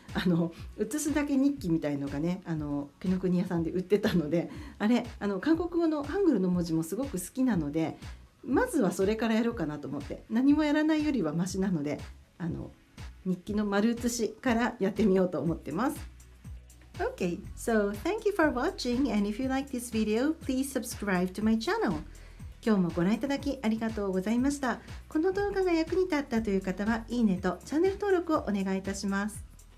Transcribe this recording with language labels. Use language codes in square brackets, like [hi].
[ja] あの写すだけ日記みたいのがね、あの紀伊国屋さんで売ってたので、あれあの韓国語のハングルの文字もすごく好きなので、まずはそれからやろうかなと思って、何もやらないよりはマシなので、あの日記の丸写しからやってみようと思ってます。 [en] Okay, so thank you for watching, and if you like this video, please subscribe to my channel. [ja] 今日もご覧いただきありがとうございました。この動画が役に立ったという方は、いいねとチャンネル登録をお願いいたします。